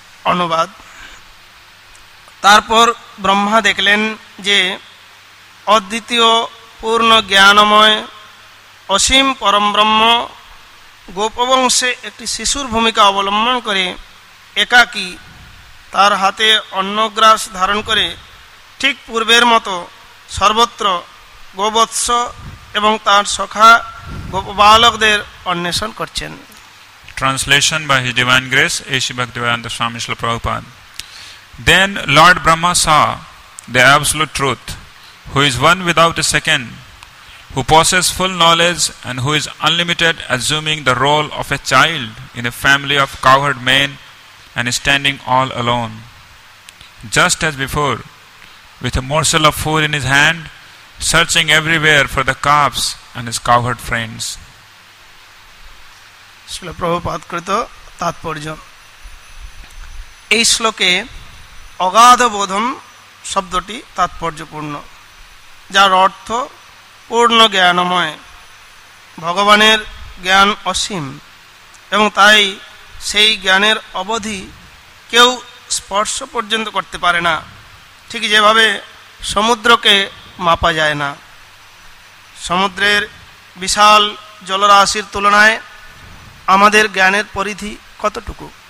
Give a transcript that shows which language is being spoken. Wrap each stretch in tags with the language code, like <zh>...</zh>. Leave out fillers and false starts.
<bn>অনুবাদ তারপর ব্রহ্মা দেখলেন যে অদ্বিতীয় পূর্ণ জ্ঞানময় অসীম পরম ব্রহ্ম গোপবংশে একটি শিশুর ভূমিকা অবলম্বন করে একাকী তার হাতে অন্নগ্রাস ধারণ করে ঠিক পূর্বের মতো সর্বত্র গোবৎস এবং তার সখা গোপবালকদের অন্বেষণ করছেন.</bn> <en>Translation by His Divine Grace, A.C. Bhaktivedanta Swami Srila Prabhupada. Then Lord Brahma saw the absolute truth, who is one without a second, who possesses full knowledge and who is unlimited, assuming the role of a child in a family of cowherd men and is standing all alone. Just as before, with a morsel of food in his hand, searching everywhere for the calves and his cowherd friends.</en> <bn>শিল প্রভুপাত কৃত তাৎপর্য এই শ্লোকে অগাধবোধম শব্দটি তাৎপর্যপূর্ণ যার অর্থ পূর্ণ জ্ঞানময় ভগবানের জ্ঞান অসীম এবং তাই সেই জ্ঞানের অবধি কেউ স্পর্শ পর্যন্ত করতে পারে না ঠিক যেভাবে সমুদ্রকে মাপা যায় না সমুদ্রের বিশাল জলরাশির তুলনায় আমাদের জ্ঞানের পরিধি কতটুকু</bn>